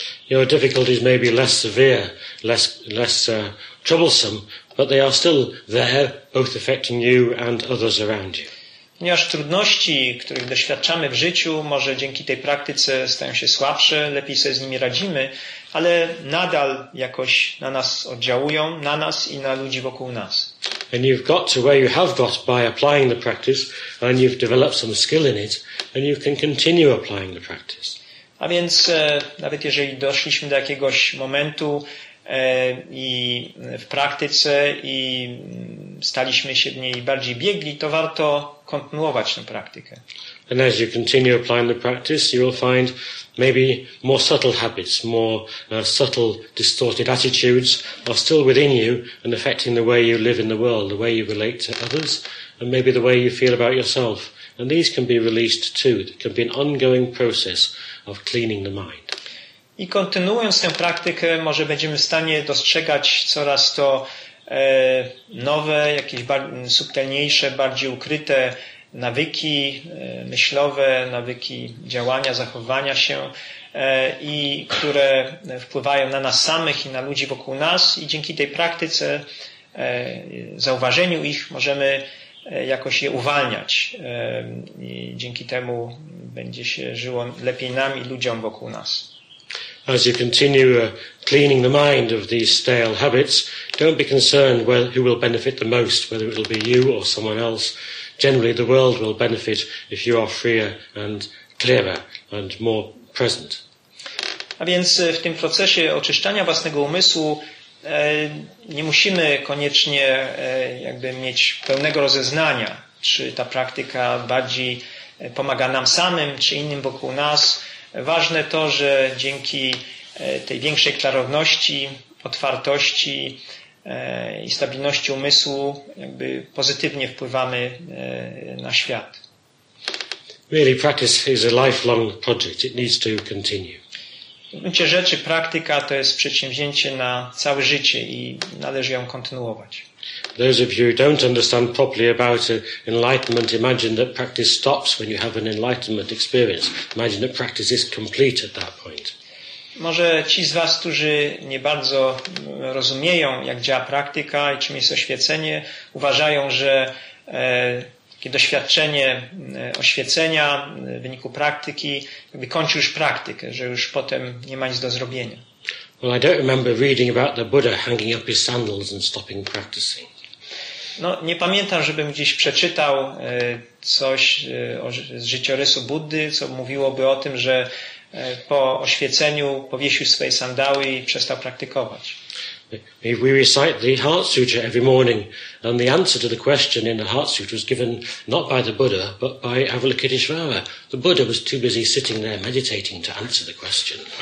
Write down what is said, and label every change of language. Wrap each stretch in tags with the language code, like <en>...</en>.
<en>Your difficulties may be less severe, less troublesome, but they are still there, both affecting you and others around you.</en> <pl>Ponieważ trudności, których doświadczamy w życiu, może dzięki tej praktyce stają się słabsze, lepiej sobie z nimi radzimy, ale nadal jakoś na nas oddziałują, na nas i na ludzi wokół nas.</pl> <en>And you've got to where you have got by applying the practice and you've developed some skill in it and you can continue applying the practice.</en> <pl>A więc nawet jeżeli doszliśmy do jakiegoś momentu i w praktyce i staliśmy się w niej bardziej biegli, to warto kontynuować tę praktykę.</pl> <en>And as you continue applying the practice, you will find maybe more subtle habits, more subtle distorted attitudes are still within you and affecting the way you live in the world, the way you relate to others, and maybe the way you feel about yourself. And these can be released too. It can be an ongoing process of cleaning the mind.</en> <pl>I kontynuując tę praktykę, może będziemy w stanie dostrzegać coraz to nowe, jakieś subtelniejsze, bardziej ukryte nawyki myślowe, nawyki działania, zachowania się, i które wpływają na nas samych i na ludzi wokół nas, i dzięki tej praktyce, zauważeniu ich, możemy jakoś je uwalniać. I dzięki temu będzie się żyło lepiej nam i ludziom wokół nas.</pl> <en>As you continue cleaning the mind of these stale habits, don't be concerned who will benefit the most, whether it will be you or someone else. Generally, the world will benefit if you are freer and clearer and more present.</en> <pl>A więc w tym procesie oczyszczania własnego umysłu nie musimy koniecznie jakby mieć pełnego rozeznania, czy ta praktyka bardziej pomaga nam samym, czy innym wokół nas. Ważne to, że dzięki tej większej klarowności, otwartości i stabilności umysłu jakby pozytywnie wpływamy na świat.</pl> <en>Really, practice is a lifelong project. It needs to continue.</en> <pl>W gruncie rzeczy praktyka to jest przedsięwzięcie na całe życie i należy ją kontynuować.</pl> <en>Those of you who don't understand properly about enlightenment, imagine that practice stops when you have an enlightenment experience. Imagine that practice is complete at that point.</en> <pl>Może ci z was, którzy nie bardzo rozumieją, jak działa praktyka i czym jest oświecenie, uważają, że takie doświadczenie oświecenia w wyniku praktyki jakby kończy już praktykę, że już potem nie ma nic do zrobienia.</pl> <en>Well, I don't remember reading about the Buddha hanging up his sandals and stopping practicing.</en> <pl>No, nie pamiętam, żebym gdzieś przeczytał coś z życiorysu Buddy, co mówiłoby o tym, że po oświeceniu powiesił swoje sandały i przestał praktykować.</pl> <en>We recite the Heart Sutra every morning, and the answer to the question in the Heart Sutra was given not by the Buddha, but by Avalokiteshvara. The Buddha was too busy sitting there meditating to answer the question.</en>